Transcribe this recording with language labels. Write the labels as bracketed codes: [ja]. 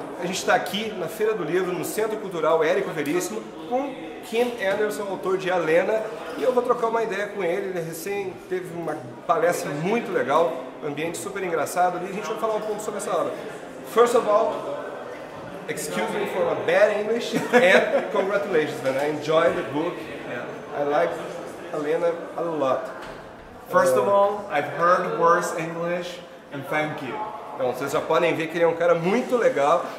[pt] A gente está aqui na Feira do Livro, no Centro Cultural Érico Veríssimo, com Kim Anderson, autor de Alena, e eu vou trocar uma ideia com ele. Ele recém teve uma palestra muito legal, ambiente super engraçado ali, e a gente vai falar um pouco sobre essa obra. [en] First of all, excuse me for a bad English, and congratulations, man. I enjoyed the book. Yeah. I like Alena a lot. First of all, I've heard worse English, and thank you. [pt] Então, vocês já podem ver que ele é um cara muito legal.